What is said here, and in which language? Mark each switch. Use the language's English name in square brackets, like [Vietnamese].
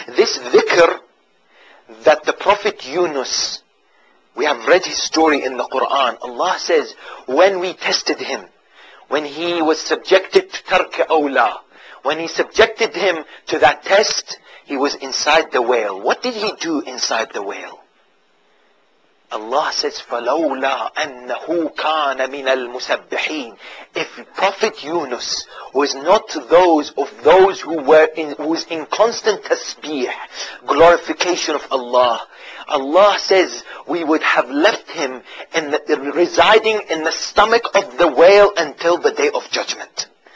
[English] This dhikr that the Prophet Yunus, we have read his story in the Quran. Allah says, when we tested him, when he was subjected to tark awla, when he subjected him to that test, he was inside the whale. What did he do inside the whale? Allah says, [Arabic] فَلَوْلَا أَنَّهُ كَانَ مِنَ الْمُسَبِّحِينَ. [English] If Prophet Yunus was not those of those who were in, who was in constant tasbih, glorification of Allah, Allah says, we would have left him in the, residing in the stomach of the whale until the day of judgment.